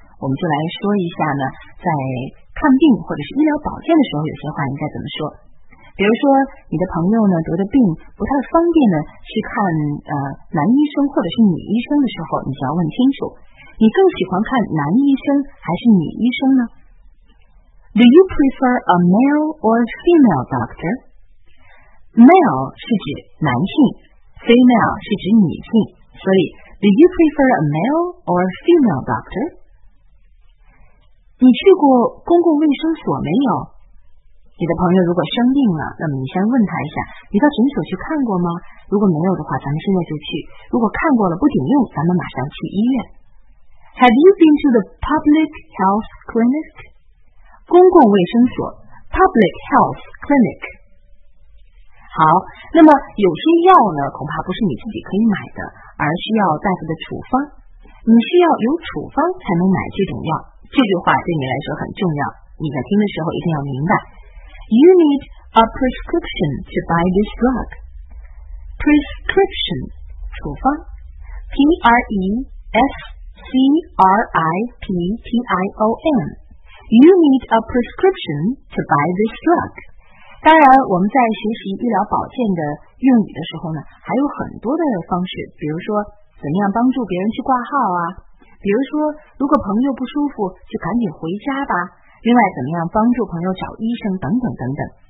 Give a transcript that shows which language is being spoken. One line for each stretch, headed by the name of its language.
Chinese: 我们就来说一下呢，在看病或者是医疗保健的时候，有些话应该怎么说。比如说你的朋友呢得的病不太方便呢去看男医生或者是女医生的时候，你就要问清楚，你更喜欢看男医生还是女医生呢？
English: Do you prefer a male or female doctor? Male
Chinese: 是指男性，
English: female
Chinese: 是指女性，所以
English: Do you prefer a male or female doctor?
Chinese: 你去过公共卫生所没有？你的朋友如果生病了，那么你先问他一下，你到诊所去看过吗？如果没有的话，咱们现在就去，如果看过了不顶用，咱们马上去医院。
English: Have you been to the public health clinic?
Chinese: 公共卫生所 public health clinic。好，那么有些药呢恐怕不是你自己可以买的，而需要大夫的处方，你需要有处方才能买这种药。这句话对你来说很重要，你在听的时候一定要明白。
English: You need a prescription to buy this drug. Prescription, 处方 P-R-E-S-C-R-I-P-T-I-O-N. You need a prescription to buy this drug.
Chinese: 当然我们在学习医疗保健的用语的时候呢，还有很多的方式，比如说怎样帮助别人去挂号啊，比如说如果朋友不舒服就赶紧回家吧，另外怎么样帮助朋友找医生等等等等。